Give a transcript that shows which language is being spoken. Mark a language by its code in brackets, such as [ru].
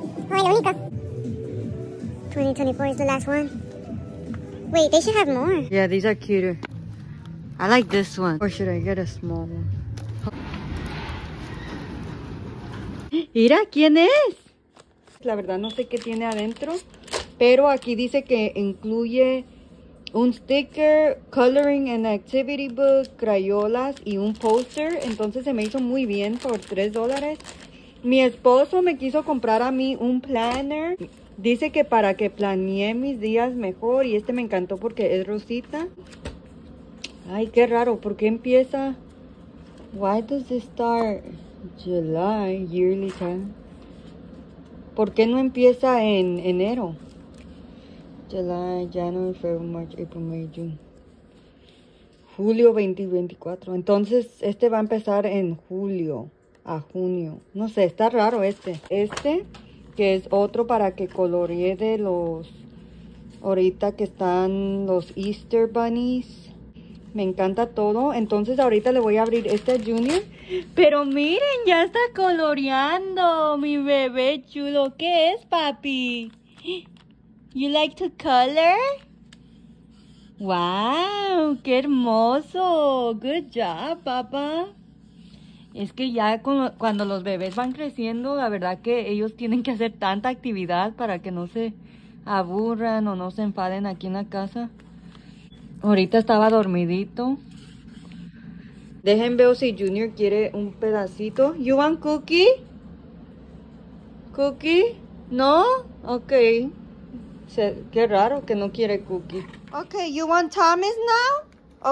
[en] Oh, [es] el único. [en] 2024 is the last one. Wait, they should have more. Yeah, these are cuter. I like this one. Or should I get a small one? [es] Mira, ¿quién es? La verdad no sé qué tiene adentro, pero aquí dice que incluye un sticker, [en] coloring and activity book, [es] crayolas y un poster. Entonces se me hizo muy bien por $3. Mi esposo me quiso comprar a mí un planner. Dice que para que planee mis días mejor y este me encantó porque es rosita. Ay, qué raro, ¿por qué empieza? [en] Why does this start? July, yearly time. [es] ¿Por qué no empieza en enero? [en] July, January, February, March, April, May, June. [es] Julio 2024. Entonces, este va a empezar en julio a junio. No sé, está raro este. Este, que es otro para que coloree de los... Ahorita que están los Easter Bunnies. Me encanta todo. Entonces, ahorita le voy a abrir este a Junior. Pero miren, ya está coloreando, mi bebé chulo. ¿Qué es, papi? [en] You like to color? [es] Wow, qué hermoso. [en] Good job, [es] papá. Es que ya cuando los bebés van creciendo, la verdad que ellos tienen que hacer tanta actividad para que no se aburran o no se enfaden aquí en la casa. Ahorita estaba dormidito. Dejen ver si Junior quiere un pedacito. [en] You want cookie? Cookie? No? Okay. [es] Qué raro que no quiere cookie. [en] Okay, you want Thomas now?